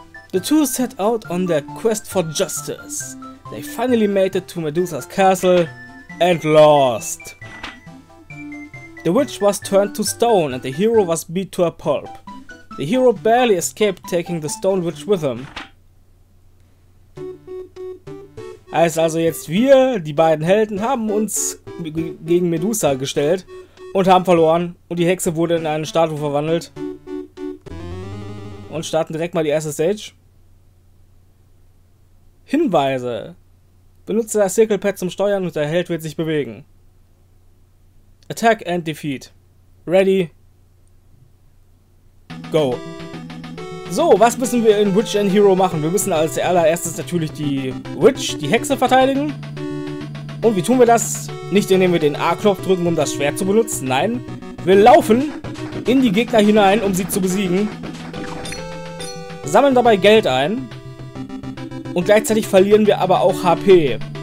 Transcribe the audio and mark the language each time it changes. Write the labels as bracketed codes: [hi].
[en] The two set out on their quest for justice. They finally made it to Medusa's castle and lost. The witch was turned to stone and the hero was beat to a pulp. The hero barely escaped taking the stone witch with him. [de] Heißt also jetzt, wir, die beiden Helden, haben uns gegen Medusa gestellt und haben verloren und die Hexe wurde in eine Statue verwandelt. Und starten direkt mal die erste Stage. Hinweise: Benutze das Circle-Pad zum Steuern und der Held wird sich bewegen. [en] Attack and Defeat. Ready. Go. [de] So, was müssen wir in Witch and Hero machen? Wir müssen als allererstes natürlich die Witch, die Hexe, verteidigen. Und wie tun wir das? Nicht indem wir den A-Knopf drücken, um das Schwert zu benutzen. Nein, wir laufen in die Gegner hinein, um sie zu besiegen. Sammeln dabei Geld ein. Und gleichzeitig verlieren wir aber auch HP.